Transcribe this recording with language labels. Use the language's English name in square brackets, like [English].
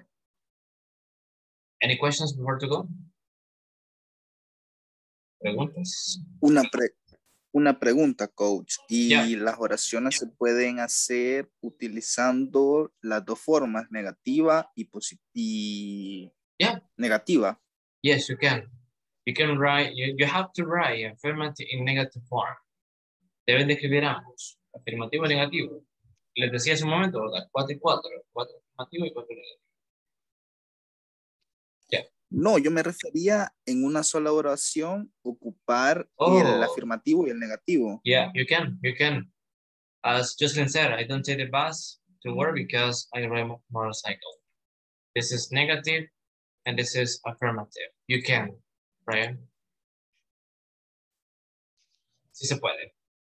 [English] ¿Ok? Any questions before to go? [Spanish] ¿Preguntas? Una pregunta, coach. Y las oraciones se pueden hacer utilizando las dos formas, negativa y positiva. Negativa. [English] Yes, you can. You can write, you have to write affirmative in negative form. [Spanish] Deben de escribir ambos, afirmativo y negativo. Les decía hace un momento, ¿verdad? 4 y 4, 4 afirmativo y 4 negativo. No, yo me refería en una sola oración ocupar el afirmativo y el negativo. [English] Yeah, you can. As Justin said, I don't take the bus to work because I ride a motorcycle. This is negative and this is affirmative. You can, right? [Spanish] Sí se puede.